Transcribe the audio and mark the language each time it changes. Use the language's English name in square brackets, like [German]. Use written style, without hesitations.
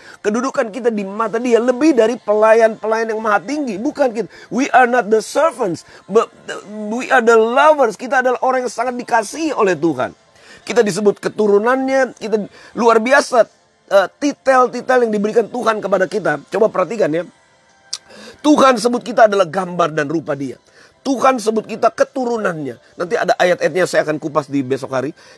[Indonesian] Kedudukan kita di mata dia lebih dari pelayan-pelayan yang maha tinggi. Bukan kita. [English] We are not the servants, but we are the lovers. [Indonesian] Kita adalah orang yang sangat dikasihi oleh Tuhan. Kita disebut keturunannya, kita luar biasa, titel-titel yang diberikan Tuhan kepada kita. Coba perhatikan ya, Tuhan sebut kita adalah gambar dan rupa dia. Tuhan sebut kita keturunannya. Nanti ada ayat-ayatnya saya akan kupas di besok hari.